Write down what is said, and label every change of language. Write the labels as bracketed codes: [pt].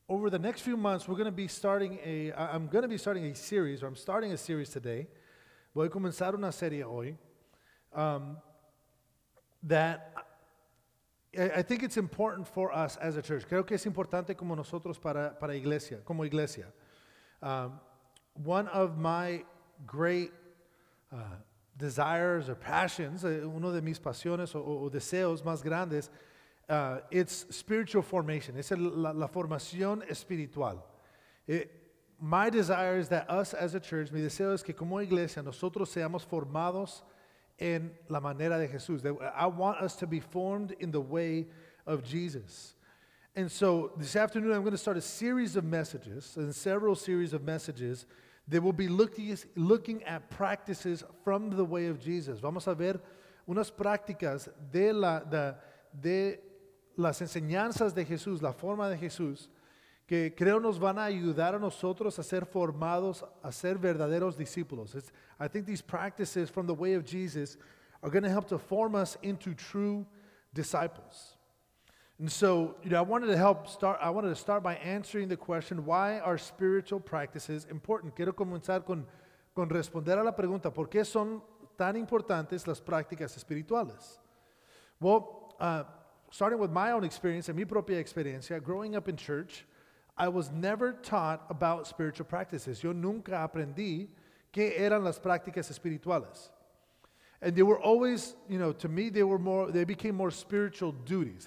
[en] the next few months, we're going to be starting a, I'm going to be starting a series, or I'm starting a series today. [es] Voy a comenzar una serie hoy. [en] That I think it's important for us as a church. [es] Creo que es importante como nosotros para iglesia, como iglesia. [en] One of my great desires or passions, [es] uno de mis pasiones o deseos más grandes, [en] it's spiritual formation. [es] Es la formación espiritual. [en] My desire is that us as a church, [es] mi deseo es que como iglesia nosotros seamos formados en la manera de Jesús. [en] I want us to be formed in the way of Jesus. And so this afternoon I'm going to start a series of messages, and several series of messages that will be looking at practices from the way of Jesus. [es] Vamos a ver unas prácticas de las enseñanzas de Jesús, la forma de Jesús, que creo nos van a ayudar a nosotros a ser formados, a ser verdaderos discípulos. [en] I think these practices from the way of Jesus are going to help to form us into true disciples. And so, you know, I wanted to start by answering the question, why are spiritual practices important? [es] Quiero comenzar con responder a la pregunta, ¿por qué son tan importantes las prácticas espirituales? [en] Well, starting with my own experience, and [es] mi propia experiencia, [en] growing up in church, I was never taught about spiritual practices. [es] Yo nunca aprendí qué eran las prácticas espirituales. [en] And they were always, you know, to me, they became more spiritual duties.